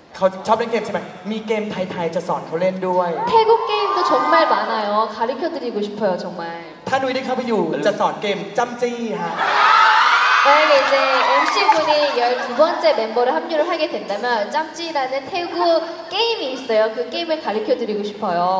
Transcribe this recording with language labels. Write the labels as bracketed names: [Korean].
[Thai] เขาชอบเล่นเกมใช่ไหม มีเกมไทยๆจะสอนเขาเล่นด้วย [Korean] 태국 게임도 정말 많아요 가르쳐드리고 싶어요 정말 [Thai] ถ้าหนูได้เข้าไปอยู่จะสอนเกมจำจี้ค่ะ [Korean] 네, 이제 MC분이 12번째 멤버를 합류를 하게 된다면 짬찌라는 태국 게임이 있어요. 그 게임을 가르쳐드리고 싶어요.